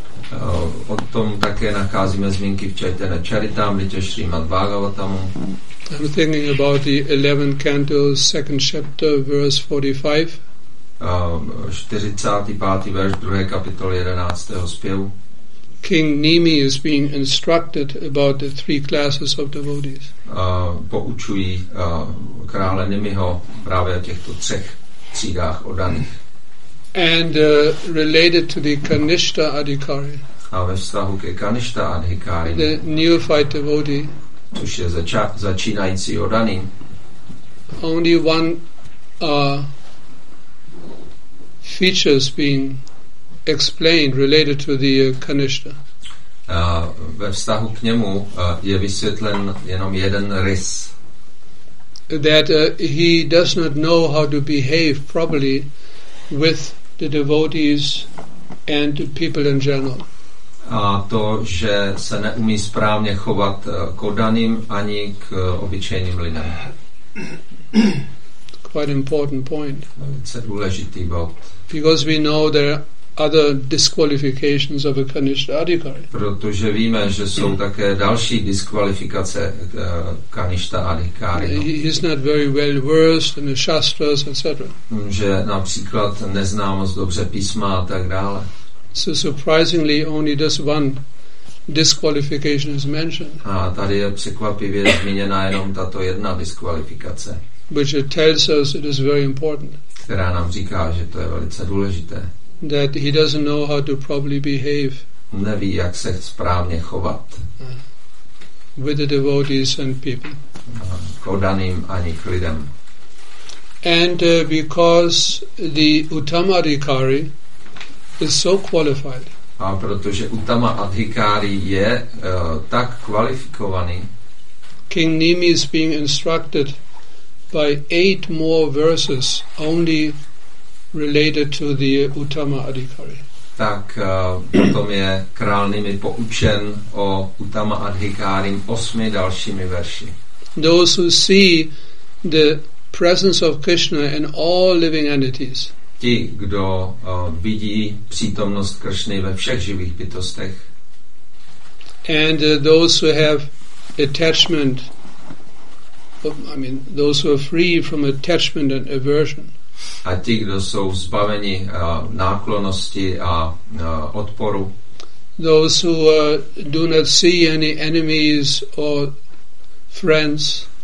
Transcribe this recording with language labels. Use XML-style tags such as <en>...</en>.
<cs>O tom také nacházíme zmínky v Chaitanya Charitamrita, Srimad Bhagavatam.</cs> <en>I'm thinking about the 11th canto, 2nd chapter, verse 45.</en> <cs>45. verš 2. kapitoly 11. zpěvu.</cs> <en>King Nimi is being instructed about the three classes of devotees.</en> <cs>Poučují krále Nimiho právě o těchto třech třídách oddaných.</cs> <en>And related to the Kanishta Adhikari.</en> <cs>A ve vztahu ke Kanishta Adhikari.</cs> <en>The neophyte devotee.</en> <cs>což je začínající oddaný.</cs> <en>Only one features being explained related to the Kanishtha.</en> <cs>Ve vztahu k němu je vysvětlen jenom jeden rys.</cs> <en>That he does not know how to behave properly with the devotees and the people in general.</en> <cs>A to, že se neumí správně chovat k oddaným ani k obyčejným lidem.</cs> <en>Quite important point.</en> <cs>Velice důležitý bod.</cs> <en>Because we know there are other disqualifications of a Kanishtha adhikari.</en> <cs>Protože víme, že jsou také další diskvalifikace Kanishtha adhikari.</cs> <en>He's not very well versed in the shastras, etc.</en> <cs>Že například nezná moc dobře písma a tak dále.</cs> <en>So surprisingly, only this one disqualification is mentioned.</en> <cs>A tady je překvapivě zmíněna jenom tato jedna diskvalifikace.</cs> <en>Which it tells us it is very important.</en> <cs>Která nám říká, že to je velice důležité.</cs> <en>That he doesn't know how to properly behave.</en> <cs>Neví, jak se správně chovat.</cs> <en>With the devotees and people.</en> <cs>K oddaným ani k lidem.</cs> <en>And because the Uttama Adhikari is so qualified.</en> <cs>A protože Uttama Adhikari je tak kvalifikovaný.</cs> <en>King Nimi is being instructed by 8 more verses only related to the Uttama Adhikari.</en> <cs>Tak potom je král Nimi poučen o Uttama Adhikari 8 dalšími verši.</cs> <en>Those who see the presence of Krishna in all living entities.</en> <cs>Ti, kdo vidí přítomnost Kršny ve všech živých bytostech.</cs> <en>And those who have attachment, I mean, those who are free from attachment and aversion.</en> <cs>A ti, kdo jsou zbaveni náklonosti a odporu.</cs> <en>Those who do not see any enemies or friends.</en>